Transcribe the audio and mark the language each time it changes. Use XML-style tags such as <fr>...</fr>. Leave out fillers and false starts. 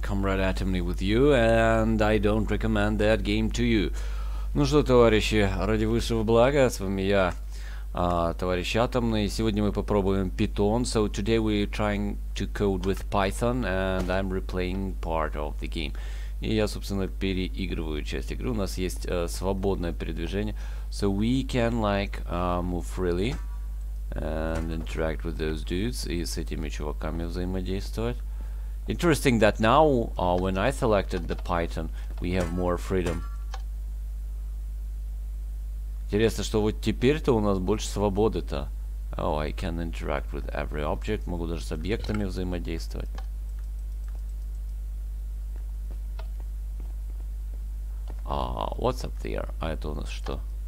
<en>Comrade Atomly with you, and I don't recommend that game to you.</en> <ru>Ну что, товарищи, ради высшего блага, с вами я, товарищ Атомный. Сегодня мы попробуем Python.</ru> <en>So today we're trying to code with Python, and I'm replaying part of the game.</en> <ru>И я, собственно, переигрываю часть игры. У нас есть свободное передвижение.</ru> <en>So we can, like, move freely. And interact with those dudes,</en> <ru>и с этими чуваками взаимодействовать.</ru> <en>Interesting that now, when I selected the Python, we have more freedom.</en> <ru>Интересно, что вот теперь-то у нас больше свободы-то.</ru> <en>Oh, I can interact with every object,</en> <ru>могу даже с объектами взаимодействовать.</ru> <en>What's up there?</en> <ru>А это у нас что?</ru>